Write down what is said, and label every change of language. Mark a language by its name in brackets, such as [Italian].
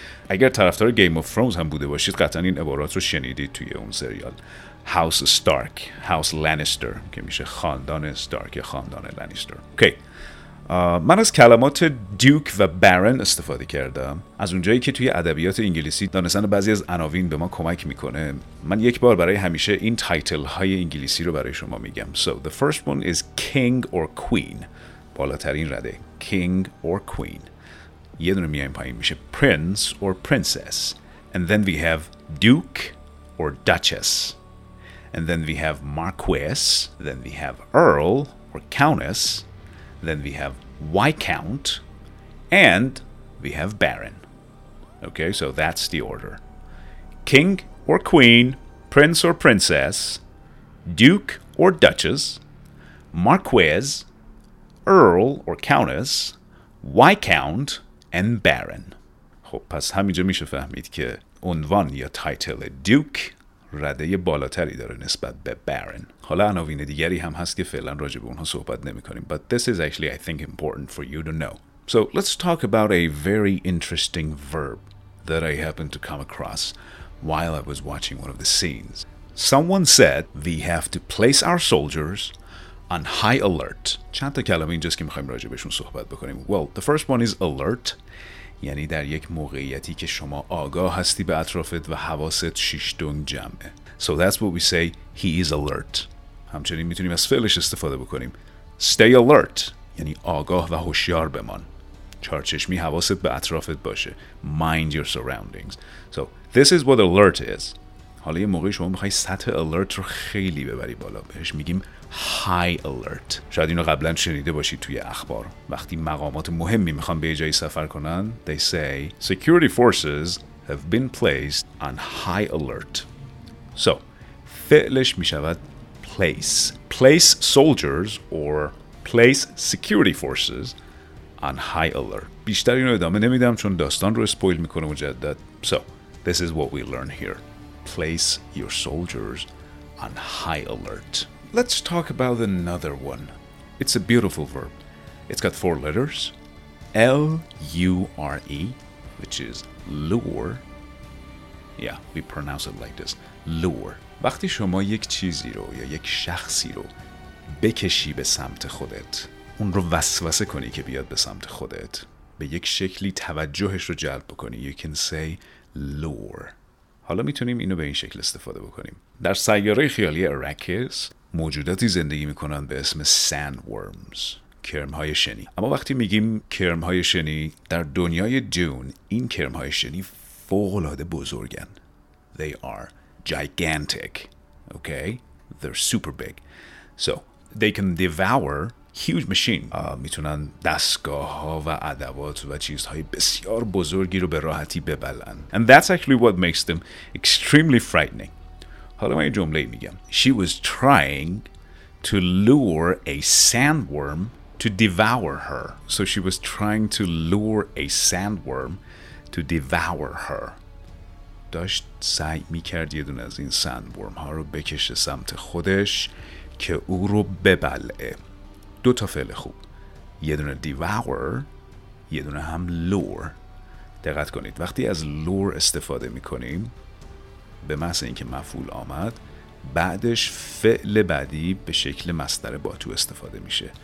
[Persian] اگر طرفدار گیم آف ترونز هم بوده باشید قطعا این عبارات رو شنیدید توی اون سریال، هاوس ستارک، هاوس لانیستر، که میشه خاندان ستارک یا خاندان لانیستر. اوکی. من از کلمات دیوک و بارن استفاده کردم. از اونجایی که توی ادبیات انگلیسی دانستن بعضی از عناوین به ما کمک میکنه، من یک بار برای همیشه این تایتل های انگلیسی رو برای شما میگم. [English] So the first one is king or queen. [Persian] بالاترین رده [English] king or queen. [Persian] یه دونه میایم پایین میشه prince or princess. [English] And then we have duke or duchess. And then we have marquess. Then we have earl or countess. Then we have Viscount, and we have Baron. Okay, so that's the order. King or Queen, Prince or Princess, Duke or Duchess, Marquess, Earl or Countess, Viscount, and Baron. [Persian] خب پس همینجا میشه فهمید که عنوان یا تایتل Duke رده بالاتری داره نسبت به Baron. حالا عناوین دیگری هم هست که فعلا راجع به اونها صحبت نمی‌کنیم. [English] But this is actually, I think, important for you to know. So let's talk about a very interesting verb that I happened to come across while I was watching one of the scenes. Someone said we have to place our soldiers on high alert. [Persian] چند تا کلمه اینجاست که می‌خوایم راجع بهشون صحبت بکنیم. [English] Well, the first one is alert. [Persian] یعنی در یک موقعیتی که شما آگاه هستی به اطرافت و حواست شیشتونگ جمعه. [English] So that's what we say, he is alert. [Persian] همچنین میتونیم از فعلش استفاده بکنیم. [English] Stay alert. [Persian] یعنی آگاه و هوشیار بمان. چارچشمی حواست به اطرافت باشه. [English] Mind your surroundings. So this is what alert is. [Persian] حالا یه موقعی شما میخوایی سطح alert رو خیلی ببری بالا. بهش میگیم High alert. شاید اینو قبلا شنیده باشید توی اخبار. وقتی مقامات مهمی میخوان به یه جایی سفر کنن، [English] they say security forces have been placed on high alert. [Persian] So فعلش میشود place. [English] Place soldiers or place security forces on high alert. [Persian] بیشتر اینو ادامه نمیدم چون داستان رو اسپویل میکنه مجدد. [English] So this is what we learn here. Place your soldiers on high alert. Let's talk about another one. It's a beautiful verb. It's got four letters. L-U-R-E, which is lure. Yeah, we pronounce it like this. Lure. [Persian] وقتی شما یک چیزی رو یا یک شخصی رو بکشی به سمت خودت، اون رو وسوسه کنی که بیاد به سمت خودت، به یک شکلی توجهش رو جلب بکنی، [English] you can say lure. [Persian] حالا میتونیم اینو به این شکل استفاده بکنیم. در سیاره خیالی Arrakis، موجوداتی زندگی میکنن به اسم sandworms، کرمهای شنی. اما وقتی میگیم کرمهای شنی، در دنیای دون این کرمهای شنی فوق‌العاده بزرگن. [English] They are gigantic. Okay? They're super big. So, they can devour huge machine. [Persian] میتونن دستگاه‌ها و ادوات و چیزهای بسیار بزرگی رو به راحتی ببلن. [English] And that's actually what makes them extremely frightening. [Persian] حالا من یه جمله میگم. [English] She was trying to lure a sandworm to devour her. So she was trying to lure a sandworm to devour her. [Persian] داشت سعی میکرد یه دونه از این sandworm ها رو بکشه سمت خودش که او رو ببلعه. دو تا فعل خوب. یه دونه devour، یه دونه هم lure. دقت کنید. وقتی از lure استفاده میکنیم، به محض اینکه مفعول آمد، بعدش فعل بعدی به شکل مصدر با تو استفاده میشه.